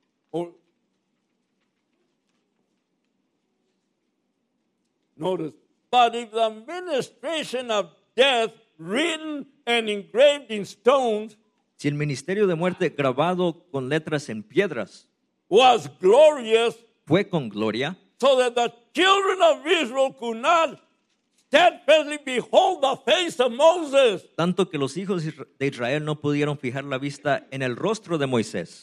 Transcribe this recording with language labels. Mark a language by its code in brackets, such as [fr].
[en] Or notice, but if the ministration of death, written and engraved in stones, [es] si el ministerio de muerte grabado con letras en piedras [en] was glorious, [es] fue con gloria, [en] so that the children of Israel could not steadfastly behold the face of Moses. [es] Tanto que los hijos de Israel no pudieron fijar la vista en el rostro de Moisés.